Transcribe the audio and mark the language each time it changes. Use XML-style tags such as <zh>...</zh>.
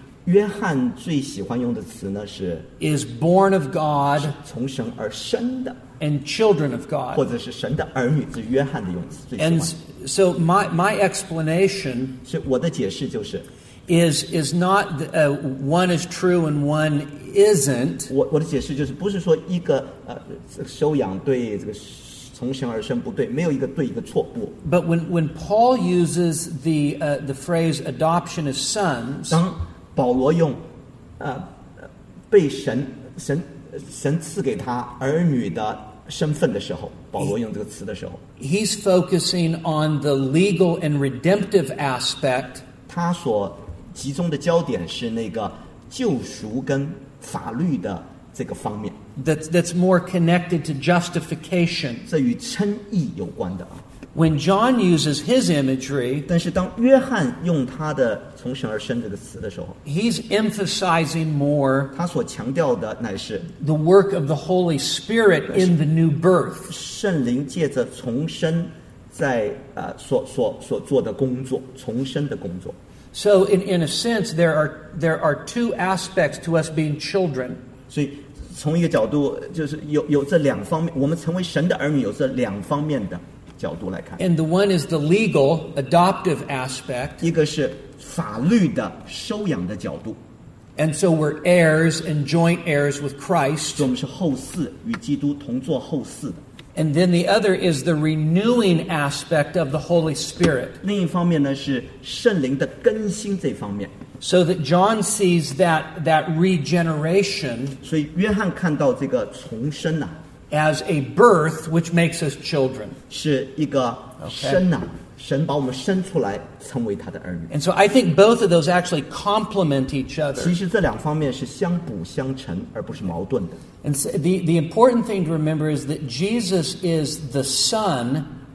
<zh>约翰最喜欢用的词呢是,</zh> <en>is born of God,</en> <zh>是从神而生的,</zh> <en>and children of God.</en> <zh>或者是神的儿女, 这是约翰的用词最喜欢。</zh> <en>And so my explanation,</en> <zh>是我的解释就是,</zh> <en>is not one is true and one isn't.</en> <zh>我的解释就是不是说一个收养对这个 从神而生不对, 没有一个对一个错,</zh> <en>but when Paul uses the phrase adoption as sons,</en> <zh>当保罗用, 被神赐给他儿女的身份的时候, 保罗用这个词的时候,</zh> <en>he's focusing on the legal and redemptive aspect.</en> <zh>他所集中的焦点是那个救赎跟法律的</zh> <en>That's more connected to justification.</en> <zh>这与称义有关的啊。</zh> <en>When John uses his imagery,</en> <zh>但是当约翰用他的从神而生这个词的时候,</zh> <en>he's emphasizing more</en> <zh>他所强调的乃是,</zh> <en>the work of the Holy Spirit in the new birth.</en> <zh>圣灵借着重生在所做的工作,重生的工作。</zh> <en>So in a sense, there are two aspects to us being children.</en> <zh>所以从一个角度就是有这两方面,我们成为神的儿女有这两方面的。</zh> <en>And the one is the legal, adoptive aspect.</en> <zh>一个是法律的收养的角度。</zh> <en>And so we're heirs and joint heirs with Christ.</en> <zh>我们是后嗣,与基督同作后嗣的。</zh> <en>And then the other is the renewing aspect of the Holy Spirit.</en> <zh>另一方面呢,是圣灵的更新这方面。</zh> <en>So that John sees that regeneration.</en> <zh>所以约翰看到这个重生啊。</zh> <en>As a birth, which makes us children.</en> <zh>是一个生啊, okay. 神把我们生出来, 成为他的儿女。</zh> <en>And so I think both of those actually complement each other.</en> <zh>其实这两方面是相补相成, 而不是矛盾的。</zh> <en>And so the important thing to remember is that Jesus is the Son.</en>